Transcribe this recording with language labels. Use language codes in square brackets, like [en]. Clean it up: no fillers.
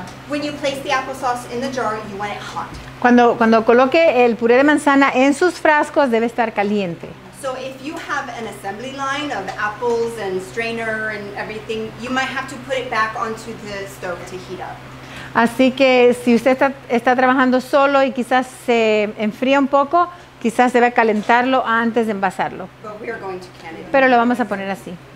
[en] When you place the applesauce in the jar, you want it hot. [es] Cuando coloque el puré de manzana en sus frascos, debe estar caliente. [en] So if you have an assembly line of apples and strainer and everything, you might have to put it back onto the stove to heat up. [es] Así que si usted está trabajando solo y quizás se enfría un poco, quizás debe calentarlo antes de envasarlo. Pero lo vamos a poner así.